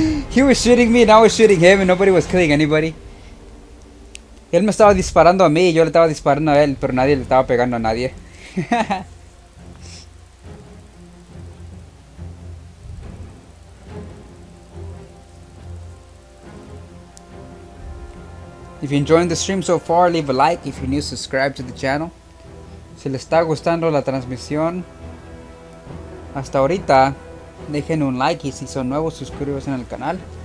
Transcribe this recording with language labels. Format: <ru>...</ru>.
<en>He was shooting me and I was shooting him and nobody was killing anybody.</en> <es>Él me estaba disparando a mí y yo le estaba disparando a él, pero nadie le estaba pegando a nadie.</es> <en>If you're enjoying the stream so far, leave a like. If you're new, subscribe to the channel.</en> <es>Si le está gustando la transmisión hasta ahorita, dejen un like, y si son nuevos, suscríbanse en el canal.</es>